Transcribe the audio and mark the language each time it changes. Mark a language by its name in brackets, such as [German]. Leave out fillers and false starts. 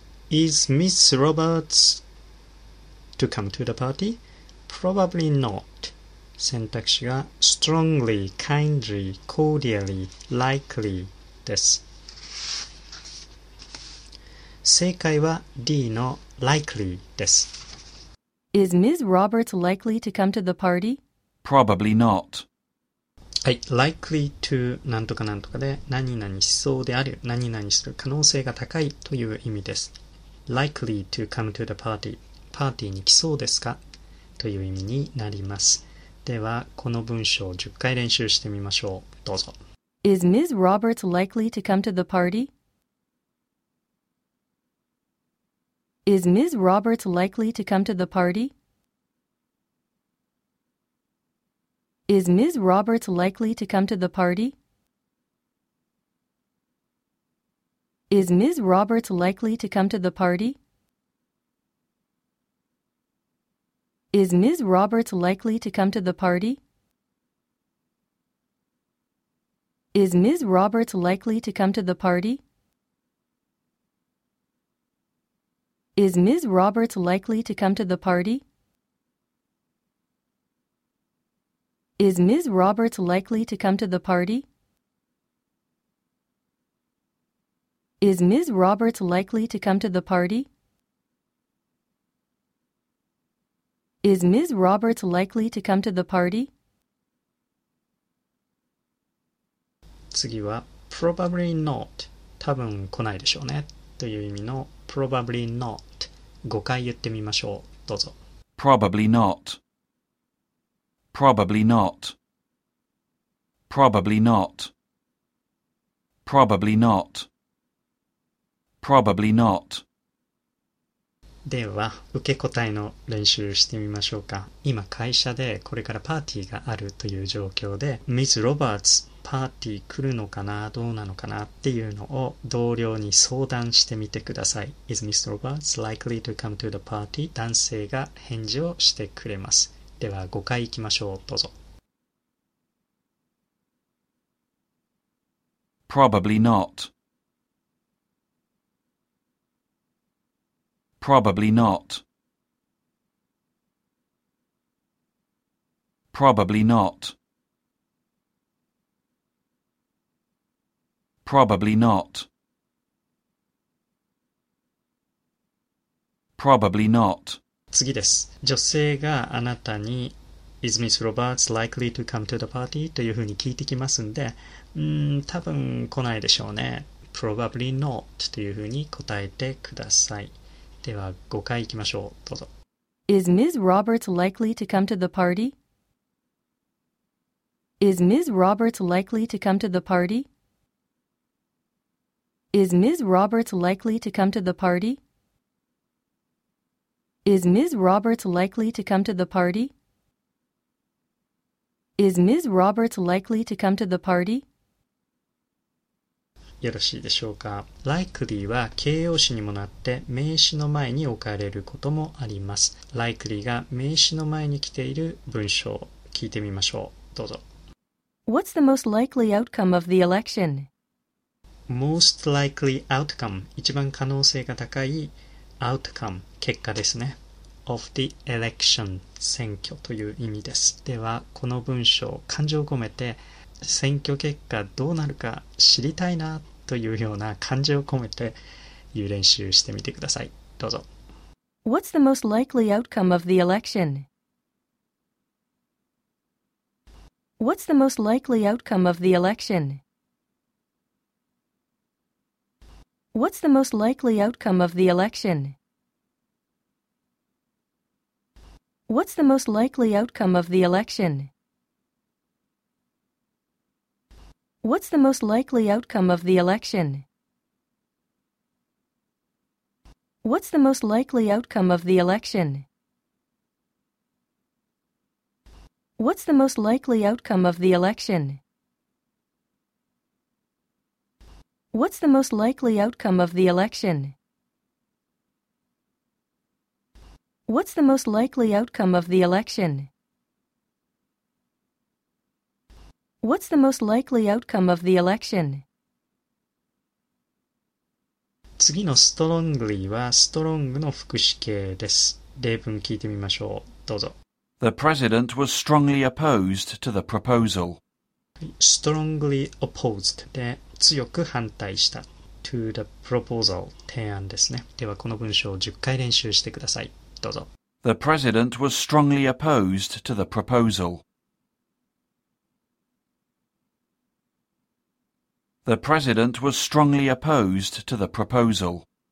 [English] Is Miss Roberts to come to the party? Probably not. [Japanese] 選択肢が [English] strongly, kindly, cordially, likely [Japanese] です。正解は D の likely です。 [English] Is Miss Roberts likely to come to the party? Probably not. [Japanese] はい、likely to 何とか何とかで何々しそうである、何々する可能性が高いという意味です。 [English] likely to come to the party、 [Japanese] パーティーに来そうですかという意味になります。では、この文章を10回練習してみましょう。どうぞ。 [English] Is Ms. Roberts likely to come to the party? Is Ms. Roberts likely to come to the party? Is Ms. Roberts likely to come to the party? Is Ms. Roberts likely to come to the party? Is Ms. Roberts likely to come to the party? Is Ms. Roberts likely to come to the party? Is Ms. Roberts likely to come to the party? Is Ms. Roberts likely to come to the party? Is Ms. Roberts likely to come to the party? Is Ms. Roberts likely to come to the party? [Japanese] 次は [English] probably not [Japanese] 多分来ないでしょうねという意味の probably not 5回言ってみましょう。どうぞ。 [English] Probably not. Probably not. Probably not. Probably not. Probably not. [Japanese] では、受け答えの練習してみましょうか。今、会社でこれからパーティーがあるという状況で、Miss Roberts、パーティー来るのかな、どうなのかなっていうのを同僚に相談してみてください。 [English] Is Miss Roberts likely to come to the party? [Japanese] 男性が返事をしてくれます。では5回行きましょう。どうぞ。 [English] Probably not. Probably not. Probably not. Probably not. Probably not. [Japanese] 次です。女性があなたに [English] Is Miss Roberts likely to come to the party? [Japanese] というふうに聞いてきますんで、多分来ないでしょうね。 [English] Probably not [Japanese] というふうに答えてください。では5回行きましょう。どうぞ。 [English] Is Miss Roberts likely to come to the party? Is Miss Roberts likely to come to the party? Is Miss Roberts likely to come to the party? Is Ms. Roberts likely to come to the party? Is Ms. Roberts likely to come to the party? [Japanese] よろしいでしょうか。 Likely は形容詞にもなって名詞の前に置かれることもあります。 Likely が名詞の前に来ている文章を聞いてみましょう。どうぞ。 [English] What's the most likely outcome of the election? Most likely outcome [Japanese] 一番可能性が高いOutcome 結果ですね。 [English] Of the election [Japanese] 選挙という意味です。ではこの文章感情を込めて選挙結果どうなるか知りたいなというような感情を込めて言う練習してみてください。どうぞ。 [English] What's the most likely outcome of the election? What's the most likely outcome of the election? What's the most likely outcome of the election? What's the most likely outcome of the election? What's the most likely outcome of the election? What's the most likely outcome of the election? What's the most likely outcome of the election? What's the most likely outcome of the election? What's the most likely outcome of the election? What's the most likely outcome of the election? [Japanese] 次の strongly は strong の副詞形です。例文聞いてみましょう。どうぞ。 [English] The president was strongly opposed to the proposal. Strongly opposed [Japanese] で強く反対した。 [English] To the proposal [Japanese] 提案ですね。ではこの文章を10回練習してください。どうぞ。 [English] The president was strongly opposed to the proposal. The president was strongly opposed to the proposal.